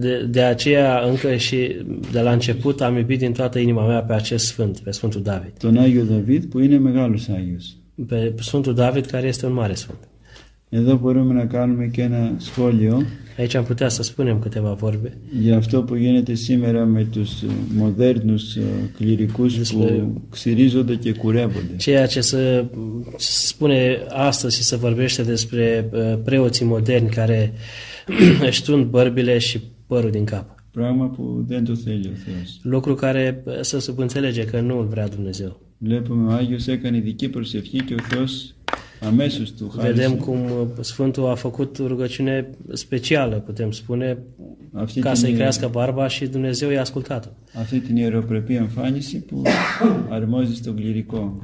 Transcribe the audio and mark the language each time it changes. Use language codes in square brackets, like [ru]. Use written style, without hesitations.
[ro] De aceea încă și de la început am iubit din toată inima mea pe acest sfânt, pe Sfântul David. [el] Τον Άγιο David που είναι μεγάλος Άγιος. [ro] Pe Sfântul David care este un mare sfânt. [el] Εδώ μπορούμε να κάνουμε και ένα σχόλιο. [ro] Aici am putea să spunem câteva vorbe. [el] Για αυτό που γίνεται σήμερα με τους μοντέρνους κληρικούς που ξυρίζονται και κουρεύονται. [ro] Ceea ce se spune astăzi și se vorbește despre preoții moderni care își tund bărbile și părul din cap. [el] Πράγμα που δεν το θέλει ο Θεός. [ro] Lucru care să subînțelege că nu îl vrea Dumnezeu. [el] Βλέπουμε ο Άγιος έκανε ειδική προσευχή και ο Θεός αμέσως του χάρισε. [ro] Vedem cum Sfântul a făcut rugăciune specială, putem spune, [el] αυτή [ro] ca să-i crească barba și Dumnezeu i-a ascultat-o. [el] Αυτή την ιεροπρεπή εμφάνιση που αρμόζει στο κληρικό.